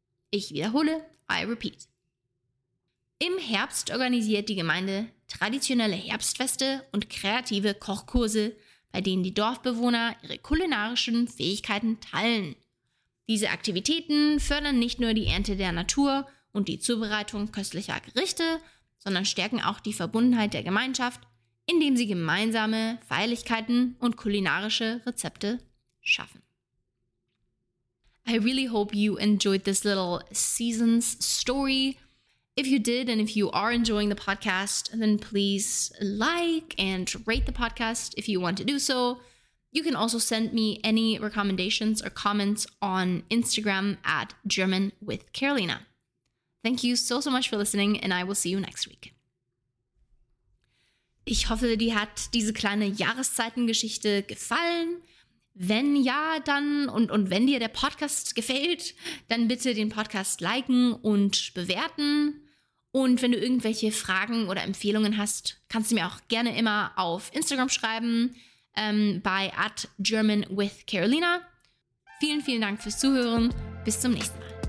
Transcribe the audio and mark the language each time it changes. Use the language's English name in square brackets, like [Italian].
[German] Ich wiederhole, [English] I repeat. [German] Im Herbst organisiert die Gemeinde traditionelle Herbstfeste und kreative Kochkurse, bei denen die Dorfbewohner ihre kulinarischen Fähigkeiten teilen. Diese Aktivitäten fördern nicht nur die Ernte der Natur und die Zubereitung köstlicher Gerichte, sondern stärken auch die Verbundenheit der Gemeinschaft, indem sie gemeinsame Feierlichkeiten und kulinarische Rezepte schaffen. [English] I really hope you enjoyed this little season's story. If you did and if you are enjoying the podcast, then please like and rate the podcast if you want to do so. You can also send me any recommendations or comments on Instagram at GermanWithCarolina. Thank you so, so much for listening and I will see you next week. [German] Ich hoffe, dir hat diese kleine Jahreszeitengeschichte gefallen. Wenn ja, dann und wenn dir der Podcast gefällt, dann bitte den Podcast liken und bewerten. Und wenn du irgendwelche Fragen oder Empfehlungen hast, kannst du mir auch gerne immer auf Instagram schreiben, bei @GermanWithCarolina. Vielen, vielen Dank fürs Zuhören. Bis zum nächsten Mal.